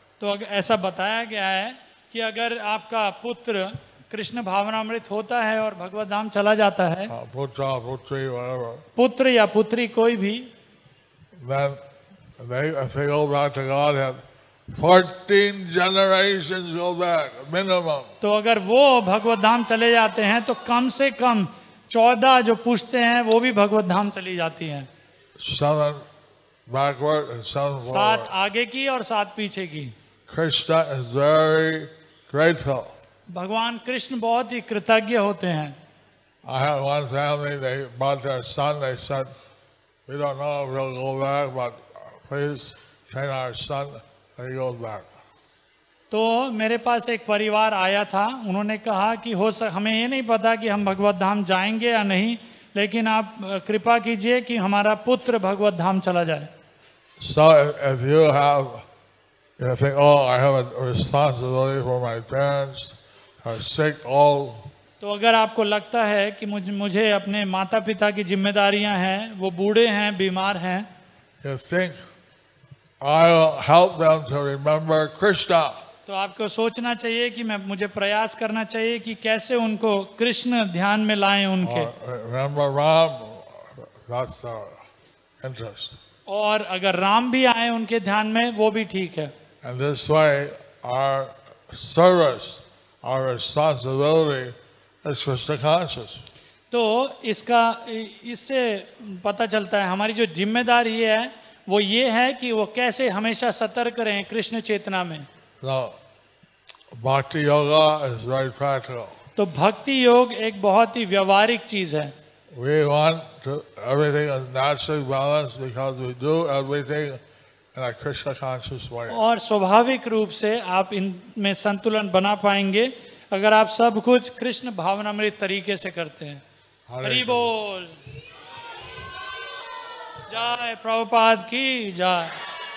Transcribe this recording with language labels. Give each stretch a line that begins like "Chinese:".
Hindi: तो ऐसा बताया गया है कि अगर आपका पुत्र कृष्ण भावनामृत होता है और भगवत धाम चला जाता है पुत्र या पुत्री कोई भी
English: then they go back to Godhead, 14 generations go back, minimum.
Hindi: तो अगर वो भगवत धाम चले जाते हैं तो कम से कम 14 जो पूछते हैं वो भी भगवत धाम चली जाती हैं.
English: Seven backward and seven forward.
Hindi: सात आगे की और सात पीछे की.
English: Krishna is very grateful.
Hindi: भगवान कृष्ण बहुत ही कृतज्ञ होते हैं.
English: I had one family, they brought their son. They said, we don't know if we'll go back, but please train our son and he goes back.
Hindi: तो मेरे पास एक परिवार आया था. उन्होंने कहा कि हो सक हमें ये नहीं पता कि हम भगवत धाम जाएंगे या नहीं, लेकिन आप कृपा कीजिए कि हमारा पुत्र भगवत धाम चला जाए.
English: So if you have, you think, oh, I have a responsibility for my parents, are sick, old.
Hindi: तो अगर आपको लगता है कि मुझे अपने माता पिता की जिम्मेदारियां हैं, वो बूढ़े हैं, बीमार हैं.
English: You think, I'll help them to remember Krishna.
Hindi: तो आपको सोचना चाहिए कि मैं मुझे प्रयास करना चाहिए कि कैसे उनको कृष्ण ध्यान में लाएं उनके.
English: Remember Ram, that's our interest.
Hindi: और अगर राम भी आए उनके ध्यान में वो भी ठीक है.
English: And this way, our service, our responsibility is Krishna conscious.
Hindi: तो इसका इससे पता चलता है हमारी जो जिम्मेदारी है वो ये है कि वो कैसे हमेशा सतर्क रहें कृष्ण चेतना में.
English: Bhakti yoga is very practical.
Hindi: तो भक्ति योग एक बहुत ही व्यवहारिक चीज है.
English: We want everything in natural balance because we do everything in a Krishna conscious way.
Hindi: और स्वाभाविक रूप से आप इन में संतुलन बना पाएंगे अगर आप सब कुछ कृष्ण भावनामृत तरीके से करते हैं. हरि बोल. जय प्रभुपाद की जय.